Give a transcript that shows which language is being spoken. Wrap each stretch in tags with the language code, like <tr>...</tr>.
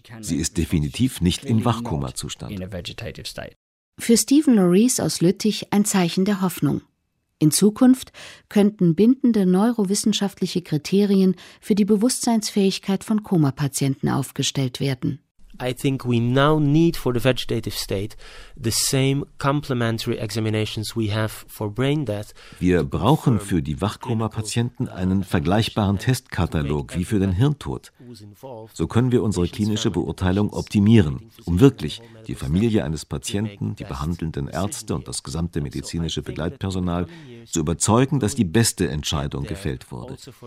<de>Sie ist definitiv nicht im Wachkoma-Zustand. Für Stephen Lorries aus Lüttich ein Zeichen der Hoffnung. In Zukunft könnten bindende neurowissenschaftliche Kriterien für die Bewusstseinsfähigkeit von Koma-Patienten aufgestellt werden.</de> <en>I think we now need for the vegetative state the same complementary examinations we have for brain death.</en> <de>Wir brauchen für die Wachkoma-Patienten einen vergleichbaren Testkatalog wie für den Hirntod. So können wir unsere klinische Beurteilung optimieren, um wirklich die Familie eines Patienten, die behandelnden Ärzte und das gesamte medizinische Begleitpersonal zu überzeugen, dass die beste Entscheidung gefällt wurde.</de>